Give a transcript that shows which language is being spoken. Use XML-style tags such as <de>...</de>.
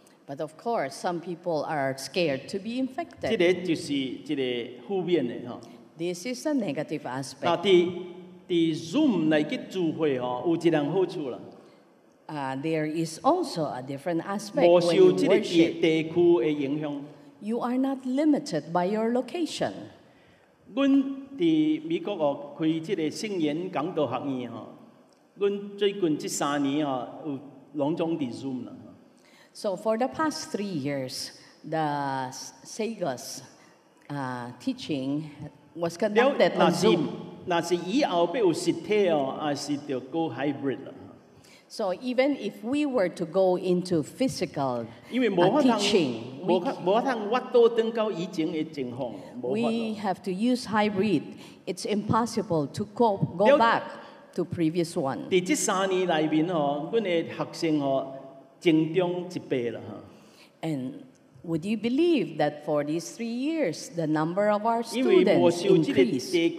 <en>But of course, some people are scared to be infected.</en> <nan>这个就是一个负面的哈。</nan> <en>This is a negative aspect.</en> <nan>那在 Zoom 来去聚会哈，有一样好处啦。</nan> <en>There is also a different aspect when you worship.</en> <nan>没受这个地区的影响。</nan> <en>You are not limited by your location.</en> <nan>阮在美国哦开这个圣言讲道学院哈，阮最近这三年哈有隆重在 Zoom 啦。</nan> <en>So for the past 3 years, the Sagas teaching was conducted on Zoom.</en> <nan>那是以后要有实体哦，还是要</nan> <en>go hybrid</en> <nan>了？</nan> <en>So even if we were to go into physical teaching, we have to use hybrid. It's impossible to go back to previous one.</en> <nan>在这三年里面哦，阮的学生哦。增长一倍了哈。</nan> <en>And would you believe that for these 3 years, the number of our students increased?</en>